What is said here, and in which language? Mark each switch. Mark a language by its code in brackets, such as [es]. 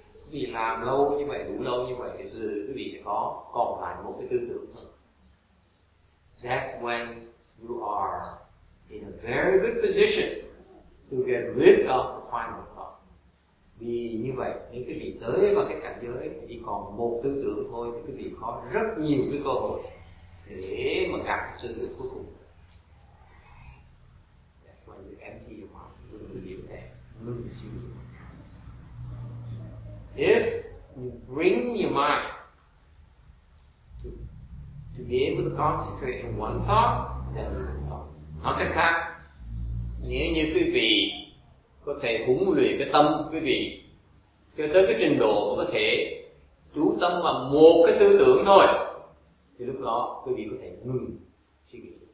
[vi] Vì làm lâu như vậy, đủ lâu như vậy, thì quý vị sẽ có còn lại một cái tư tưởng thôi. [en] That's when you are in a very good position to get rid of the final thought. [vi] Vì như vậy, những cái vị tới vào cái cảnh giới thì còn một tư tưởng thôi, thì quý vị có rất nhiều cái cơ hội để mà gặp tư tưởng cuối cùng. [en] That's why you empty your mind, [vi] ngừng tư tưởng thế, ngừng suy nghĩ. [en] If you bring your mind to be able to concentrate on one thought, then you can stop. [vi] Nói cách khác, nếu như quý vị có thể huấn luyện cái tâm quý vị cho tới cái trình độ mà có thể chú tâm vào một cái tư tưởng thôi, thì lúc đó quý vị có thể ngừng suy nghĩ.